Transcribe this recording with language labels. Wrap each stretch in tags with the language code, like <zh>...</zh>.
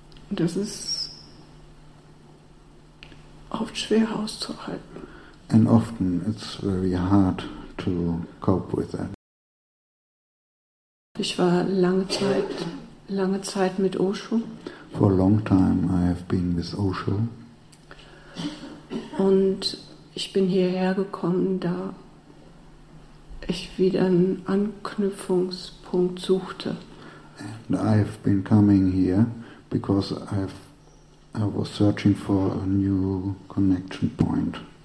<de>Das ist oft schwer auszuhalten.</de> <en>And often it's very hard to cope with that.</en> <de>Ich war lange Zeit mit Osho.</de> <en>For a long time I have been with Osho.</en> <de>Und ich bin hierher gekommen, da ich wieder einen Anknüpfungspunkt suchte.</de> <en>And I have been coming here because I was searching for a new connection point.</en>